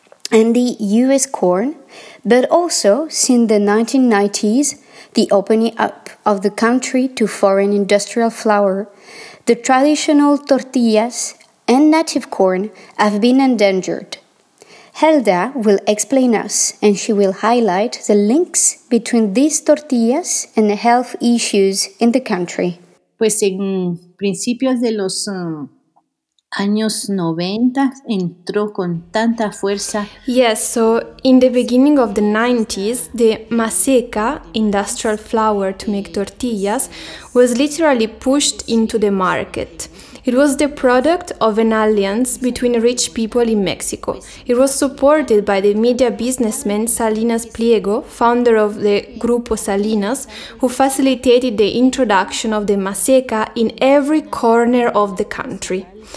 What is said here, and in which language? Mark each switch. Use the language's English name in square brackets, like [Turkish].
[English] and the US corn, but also since the 1990s, the opening up of the country to foreign industrial flour, the traditional tortillas and native corn have been endangered. Helda will explain us, and she will highlight the links between these tortillas and the health issues in the country. [Spanish] Pues en principios de los años 90 entró con tanta fuerza. [English] Yes, so in the beginning of the 90s, the maseca, industrial flour to make tortillas, was literally pushed into the market. It was the product of an alliance between rich people in Mexico. It was supported by the media businessman Salinas Pliego, founder of the Grupo Salinas, who facilitated the introduction of the maseca in every corner of the country.